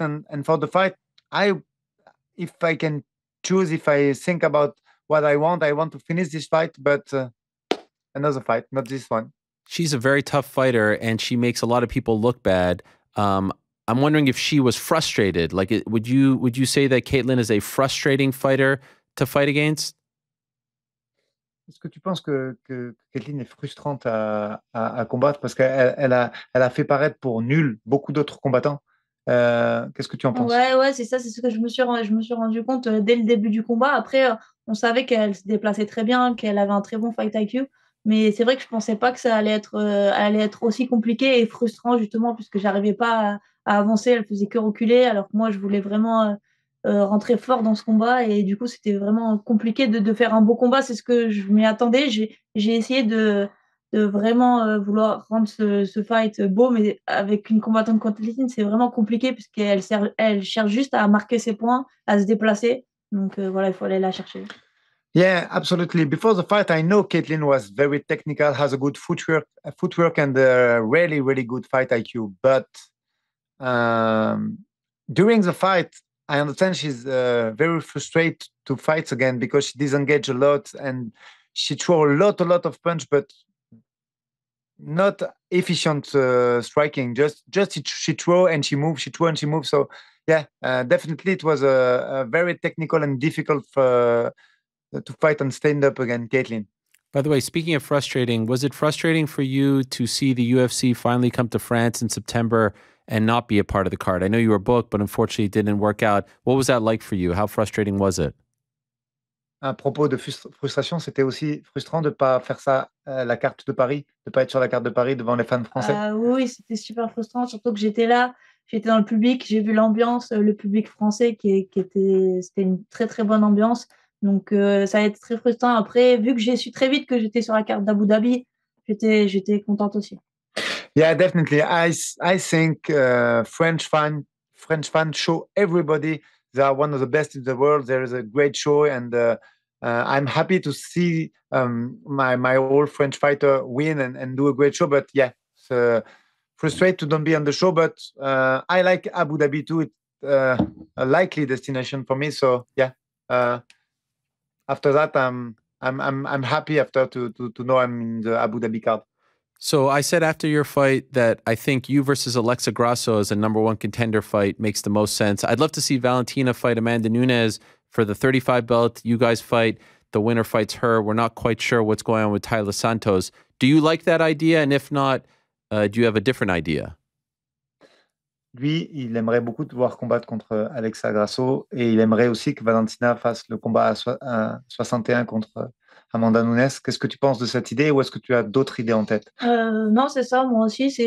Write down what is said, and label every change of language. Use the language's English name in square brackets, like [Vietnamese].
[English] And for the fight, if I think about what I want to finish this fight, but another fight, not this one. She's a very tough fighter, and she makes a lot of people look bad. I'm wondering if she was frustrated. Like, would you say that Katlyn is a frustrating fighter to fight against? [French] Est-ce que tu penses que Katlyn est frustrante à combattre parce qu'elle a fait paraître pour nul beaucoup d'autres combattants? Qu'est-ce que tu en penses? Ouais, c'est ça, c'est ce que je me suis rendu compte dès le début du combat. Après, on savait qu'elle se déplaçait très bien, qu'elle avait un très bon fight IQ. Mais c'est vrai que je pensais pas que ça allait être aussi compliqué et frustrant justement puisque j'arrivais pas à avancer, elle faisait que reculer alors que moi je voulais vraiment rentrer fort dans ce combat et du coup c'était vraiment compliqué de faire un beau combat, c'est ce que je m'y attendais. J'ai essayé de vraiment vouloir rendre ce fight beau, mais avec une combattante contre Katlyn, c'est vraiment compliqué puisqu'elle cherche juste à marquer ses points, à se déplacer. Donc voilà, il faut aller la chercher. [English] Yeah, absolutely. Before the fight, I know Katlyn was very technical, has a good footwork and a really, really good fight IQ. But during the fight, I understand she's very frustrated to fight again because she disengaged a lot and she threw a lot of punch, but not efficient striking. Just she threw and she moved, she threw and she moved. So yeah, definitely it was a very technical and difficult to fight and stand up again, Katlyn. By the way, speaking of frustrating, was it frustrating for you to see the UFC finally come to France in September and not be a part of the card? I know you were booked, but unfortunately it didn't work out. What was that like for you? How frustrating was it? [French] À propos de frustration, c'était aussi frustrant de pas faire ça, la carte de Paris, de pas être sur la carte de Paris devant les fans français. Oui, c'était super frustrant, surtout que j'étais là, j'étais dans le public, j'ai vu l'ambiance, le public français qui était une très très bonne ambiance. Donc ça va être très frustrant. Après, vu que j'ai su très vite que j'étais sur la carte d'Abu Dhabi, j'étais contente aussi. [English] Yeah, definitely. I think French fans show everybody they are one of the best in the world. There is a great show, and I'm happy to see my old French fighter win and do a great show. But yeah, it's frustrating to don't be on the show. But I like Abu Dhabi too. It's a likely destination for me. So yeah. After that, I'm happy after to know I'm in the Abu Dhabi card. So I said after your fight that I think you versus Alexa Grasso as a number one contender fight makes the most sense. I'd love to see Valentina fight Amanda Nunes for the 35 belt. You guys fight, the winner fights her. We're not quite sure what's going on with Tyler Santos. Do you like that idea? And if not, do you have a different idea? [French] Lui, il aimerait beaucoup de voir combattre contre Alexa Grasso et il aimerait aussi que Valentina fasse le combat à 61 contre Amanda Nunes. Qu'est-ce que tu penses de cette idée ou est-ce que tu as d'autres idées en tête? Non, c'est ça, moi aussi.